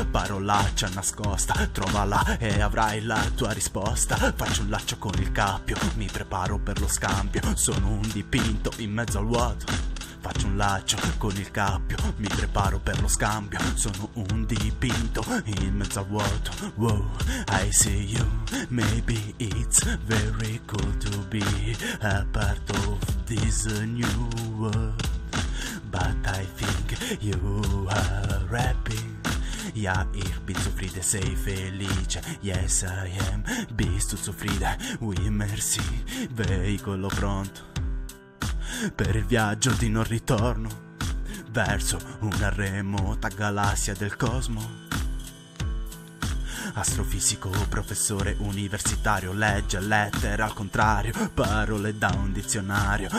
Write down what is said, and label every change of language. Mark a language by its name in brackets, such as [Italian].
[Italian] Parolaccia nascosta, trovala e avrai la tua risposta. Faccio un laccio con il cappio, mi preparo per lo scambio. Sono un dipinto in mezzo al vuoto. Faccio un laccio con il cappio, mi preparo per lo scambio. Sono un dipinto in mezzo al vuoto. [English] Wow, I see you, maybe it's very cool to be a part of this new world, but I think you are happy. [German] Ja, ich bin zufrieden, [Italian] sei felice. [English] Yes, I am, [German] bist du zufrieden? [French] Oui, merci, [Italian] veicolo pronto per il viaggio di non ritorno verso una remota galassia del cosmo. Astrofisico, professore universitario, legge lettere al contrario, parole da un dizionario.